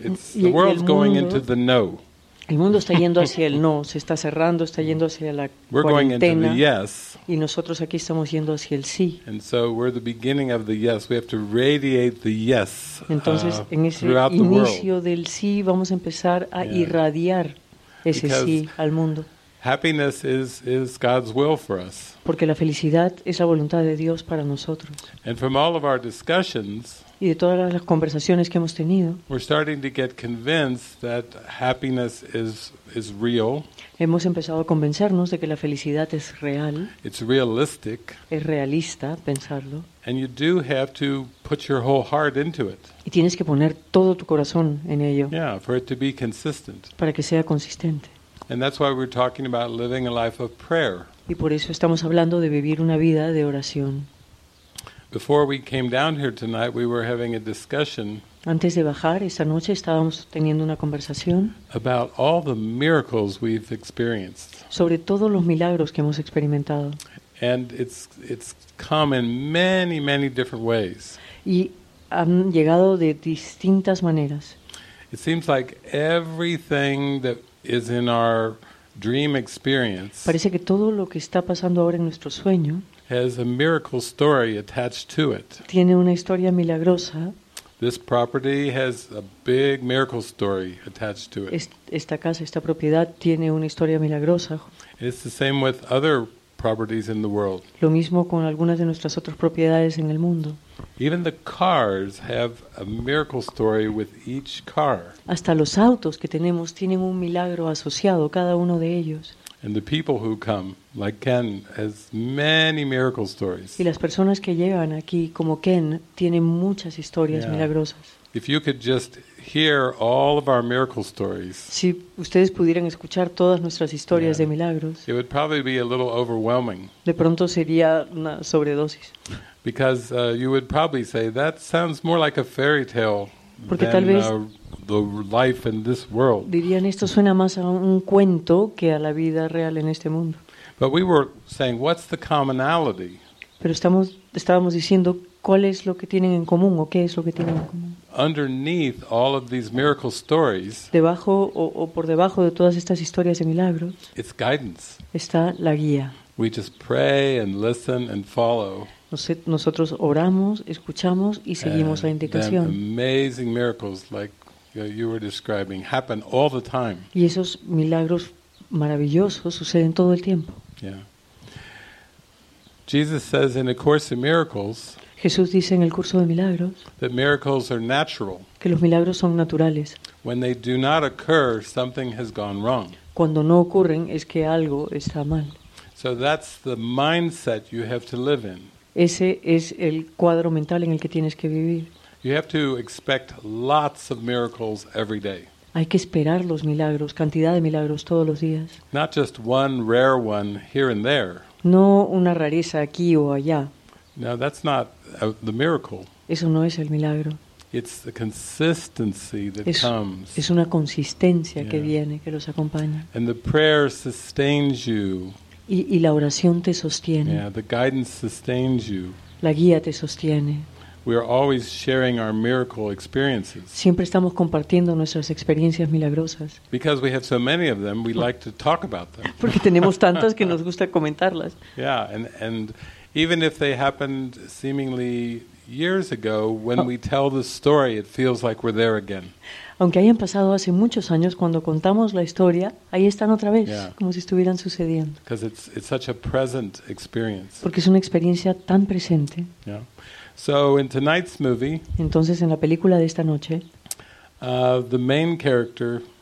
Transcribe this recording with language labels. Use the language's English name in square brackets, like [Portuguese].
[English] It's the world's going into the no. [Spanish] El mundo está yendo hacia el no, se está cerrando, está yendo hacia la cuarentena. [English] We're going into the yes. [Spanish] Y nosotros aquí estamos yendo hacia el sí. [English] And so we're the beginning of the yes. We have to radiate the yes. [Spanish] Entonces, en ese inicio del sí vamos a empezar a irradiar ese sí al mundo. [English] Happiness is God's will for us. [Spanish] Porque la felicidad es la voluntad de Dios para nosotros. [English] And from all of our discussions, [Spanish] y de todas las conversaciones que hemos tenido, [English] we're starting to get convinced that happiness is real. [Spanish] Hemos empezado a convencernos de que la felicidad es real. [English] It's realistic. [Spanish] Es realista pensarlo. [English] And you do have to put your whole heart into it. [Spanish] Y tienes que poner todo tu corazón en ello. [English] Yeah, for it to be consistent. [Spanish] Para que sea consistente. [English] And that's why we're talking about living a life of prayer. [Spanish] Y por eso estamos hablando de vivir una vida de oración. [English] Before we came down here tonight, we were having a discussion. [Spanish] Antes de bajar esta noche estábamos teniendo una conversación. [English] About all the miracles we've experienced. [Spanish] Sobre todos los milagros que hemos experimentado. [English] And it's come in many, many different ways. [Spanish] Y han llegado de distintas maneras. [English] It seems like everything that is in our dream experience. [Spanish] Parece que todo lo que está pasando ahora en nuestro sueño [English] has a miracle story attached to it. [Spanish] Tiene una historia milagrosa. [English] This property has a big miracle story attached to it. [Spanish] Esta casa, esta propiedad tiene una historia milagrosa. [English] It's the same with other properties in the world. [Spanish] Lo mismo con algunas de nuestras otras propiedades en el mundo. [English] Even the cars have a miracle story with each car. [Spanish] Hasta los autos que tenemos tienen un milagro asociado cada uno de ellos. [English] And the people who come, like Ken, has many miracle stories. [Spanish] Y las personas que llegan aquí como Ken tienen muchas historias milagrosas. [English] If you could just hear all of our miracle stories. [Spanish] Si ustedes pudieran escuchar todas nuestras historias de milagros. [English] It would probably be a little overwhelming. [Spanish] De pronto sería una sobredosis. [English] Because you would probably say that sounds more like a fairy tale [Spanish] Porque tal vez [English] the life in this world. [Spanish] Dirían esto suena más a un cuento que a la vida real en este mundo. [English] But we were saying, what's the commonality? [Spanish] Pero estábamos diciendo cuál es lo que tienen en común o qué es lo que tienen en común. [English] Underneath all of these miracle stories, [Spanish] debajo o por debajo de todas estas historias de milagros, [English] it's guidance. [Spanish] Está la guía. [English] We just pray and listen and follow. [Spanish] Nosotros oramos, escuchamos y seguimos la indicación. [English] Amazing miracles like you were describing happen all the time. [Spanish] Y esos milagros maravillosos suceden todo el tiempo. [English] Yeah. Jesus says in A Course in Miracles. [Spanish] Jesús dice en el curso de milagros. [English] That miracles are natural. [Spanish] Que los milagros son naturales. [English] When they do not occur, something has gone wrong. [Spanish] Cuando no ocurren es que algo está mal. [English] So that's the mindset you have to live in. [Spanish] Ese es el cuadro mental en el que tienes que vivir. [English] You have to expect lots of miracles every day. [Spanish] Hay que esperar los milagros, cantidad de milagros todos los días. [English] Not just one rare one here and there. [Spanish] No una rareza aquí o allá. [English] No, that's not the miracle. [Spanish] Eso no es el milagro. [English] It's the consistency that comes. [Spanish] Es una consistencia que viene, que los acompaña. [English] And the prayer sustains you. [Spanish] Y la oración te sostiene. [English] Yeah, the guidance sustains you. [Spanish] La guía te sostiene. [English] We are always sharing our miracle experiences. [Spanish] Siempre estamos compartiendo nuestras experiencias milagrosas. [English] Because we have so many of them, we like to talk about them. [Spanish] Porque tenemos tantas que nos gusta comentarlas. [English] Yeah, and even if they happened seemingly years ago, when we tell the story, it feels like we're there again. [Spanish] Aunque hayan pasado hace muchos años, cuando contamos la historia, ahí están otra vez, como si estuvieran sucediendo. [English] Because it's such a present experience. [Spanish] Porque es una experiencia tan presente. [English] Yeah. So in tonight's movie. [Spanish] Entonces en la película de esta noche. [English] The main character.